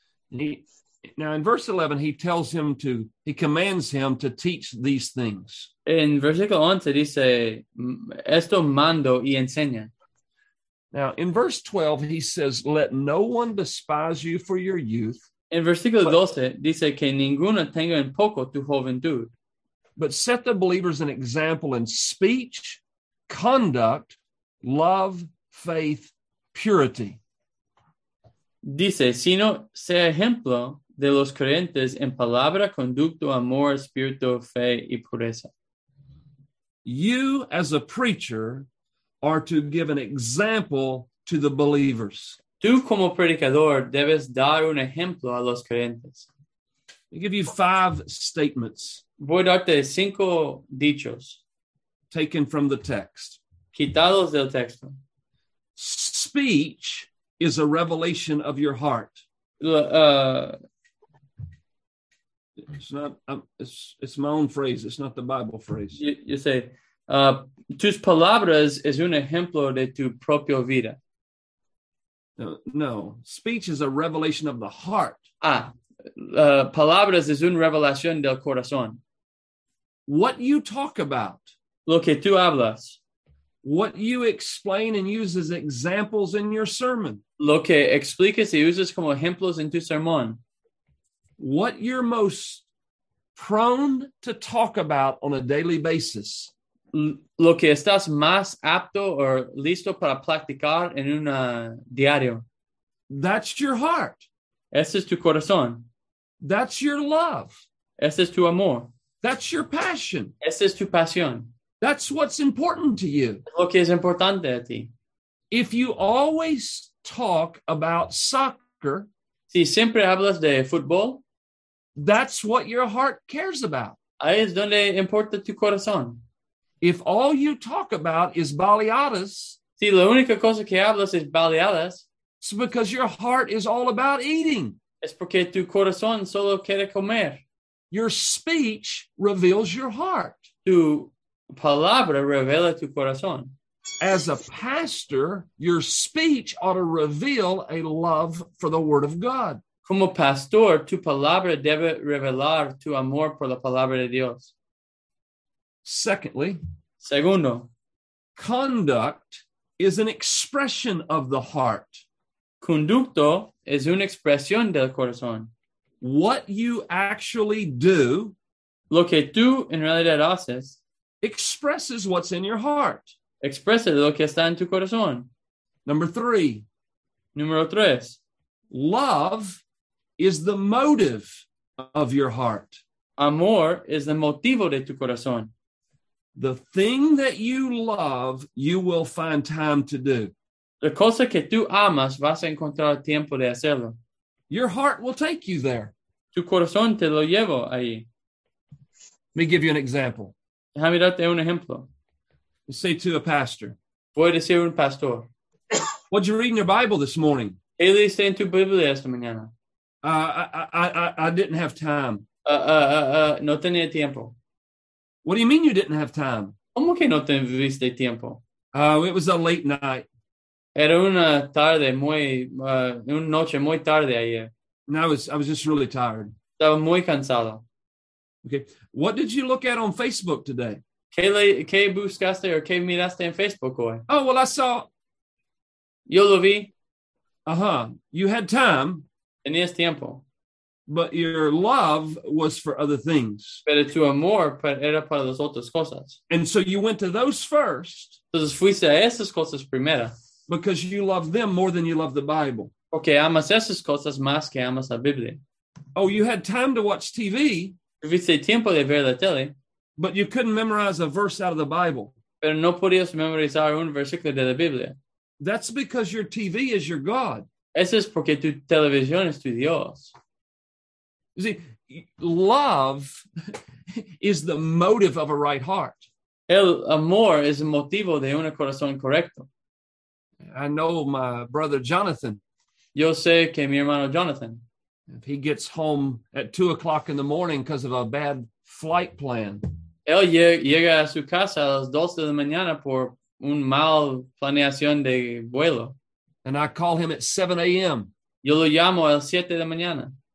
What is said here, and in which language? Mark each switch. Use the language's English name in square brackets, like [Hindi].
[English] Now, in verse 11, he commands him to teach these things. [Spanish] En versículo 11 dice, esto mando y enseña. [English] Now, in verse 12, he says, let no one despise you for your youth. [Spanish] En versículo 12 dice, que ninguno tenga en poco tu juventud. [English] But set the believers an example in speech, conduct, love, faith, purity. [Spanish] Dice, sino sea ejemplo de los creyentes en palabra, conducto, amor, espíritu, fe y pureza. [English] You, as a preacher, are to give an example to the believers. [Spanish] Tú, como predicador, debes dar un ejemplo a los creyentes. [English] I'll give you five statements. [Spanish] Voy a darte cinco dichos. [English] Taken from the text. [Spanish] Quitados del texto. [English] Speech is a revelation of your heart. It's my own phrase. It's not the Bible phrase. You say, [Spanish] tus palabras es un ejemplo de tu propia vida. [English] No, speech is a revelation of the heart. [Spanish] Palabras es una revelación del corazón. [English] What you talk about. [Spanish] Lo que tú hablas. [English] What you explain and use as examples in your sermon. [Spanish] Lo que explicas y usas como ejemplos en tu sermón. [English] What you're most prone to talk about on a daily basis. [Spanish] Lo que estás más apto o listo para practicar en un diario. [English] That's your heart. [Spanish] Ese es tu corazón. [English] That's your love. [Spanish] Ese es tu amor. [English] That's your passion. [Spanish] Ese es tu pasión. [English] That's what's important to you. [Spanish] Lo que es importante a ti. [English] If you always talk about soccer. [Spanish] Si siempre hablas de fútbol. [English] That's what your heart cares about. [Spanish] Ahí es donde importa tu corazón. [English] If all you talk about is baleadas. [Spanish] Si la única cosa que hablas es baleadas. [English] It's because your heart is all about eating. [Spanish] Es porque tu corazón solo quiere comer. [English] Your speech reveals your heart. [Spanish] Tu palabra revela tu corazón. [English] As a pastor, your speech ought to reveal a love for the Word of God. [Spanish] Como pastor, tu palabra debe revelar tu amor por la palabra de Dios. [English] Secondly, [Spanish] segundo, [English] conduct is an expression of the heart. [Spanish] Conducto es una expresión del corazón. [English] What you actually do, [Spanish] lo que tú en realidad haces, [English] expresses what's in your heart. [Spanish] Expresa lo que está en tu corazón. Número tres. [English] Love is the motive of your heart. [Spanish] Amor es el motivo de tu corazón. [English] The thing that you love, you will find time to do. [Spanish] La cosa que tú amas, vas a encontrar tiempo de hacerlo. [English] Your heart will take you there. [Spanish] Tu corazón te lo lleva ahí. [English] Let me give you an example. [Spanish] Déjame darte un ejemplo. [English] Say to a pastor. [Spanish] Voy a decir un pastor. [English] What did you read in your Bible this morning? [Spanish] ¿Qué leíste en tu Biblia esta mañana? [English] I didn't have time. [Spanish] No tenía tiempo. [English] What do you mean you didn't have time? [Spanish] ¿Cómo que no tuviste tiempo? [English] It was a late night. [Spanish] Era una tarde una noche muy tarde ayer. [English] No, I was just really tired. [Spanish] Estaba muy cansado. [English] Okay. What did you look at on Facebook today? [Spanish] ¿Qué buscaste o qué miraste en Facebook hoy? [English] Oh, well, I saw. [Spanish] Yo lo vi. [English] Uh-huh. You had time. [Spanish] Tenías tiempo. [English] But your love was for other things. [Spanish] Pero tu amor era para las otras cosas. [English] And so you went to those first. [Spanish] Entonces fuiste a esas cosas primero. [English] Because you love them more than you love the Bible. [Spanish] Okay, amas esas cosas más que amas la Biblia. [English] Oh, you had time to watch TV. [Spanish] Tuviste tiempo de ver la tele. [English] But you couldn't memorize a verse out of the Bible. [Spanish] Pero no podías memorizar un versículo de la Biblia. [English] That's because your TV is your God. [Spanish] Eso es porque tu televisión es tu Dios. [English] You see, love is the motive of a right heart. [Spanish] El amor es el motivo de un corazón correcto. [English] I know my brother Jonathan. [Spanish] Yo sé que mi hermano Jonathan. [English] If he gets home at 2 o'clock in the morning because of a bad flight plan. [Spanish] Él llega a su casa a las 2 de la mañana por un mal planeación de vuelo. [English] And I call him at 7 a.m. [Spanish] Yo lo llamo a las 7 de la mañana.